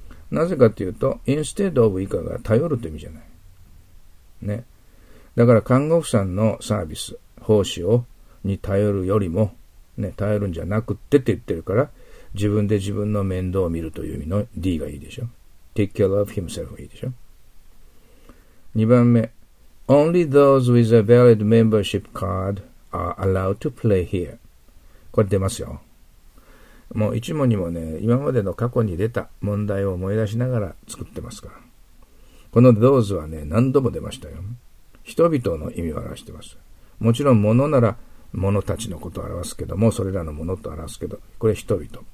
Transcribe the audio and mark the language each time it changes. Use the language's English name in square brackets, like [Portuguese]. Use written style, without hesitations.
[Japanese] なぜかというと [English] instead of [Japanese] 以下が頼るという意味じゃないね。だから看護婦さんのサービス奉仕に頼るよりもね、頼るんじゃなくってって言ってるから、自分で自分の面倒を見るという意味の D がいいでしょ。 [English] Take care of himself [Japanese] がいいでしょ。 2番目、 [English] Only those with a valid membership card are allowed to play here。 [Japanese] これ出ますよ。もう一問にもね、今までの過去に出た問題を思い出しながら作ってますから、この those はね、何度も出ましたよ。人々の意味を表してます。もちろん物なら者たちのことを表すけども、それらの者と表すけど、これ人々。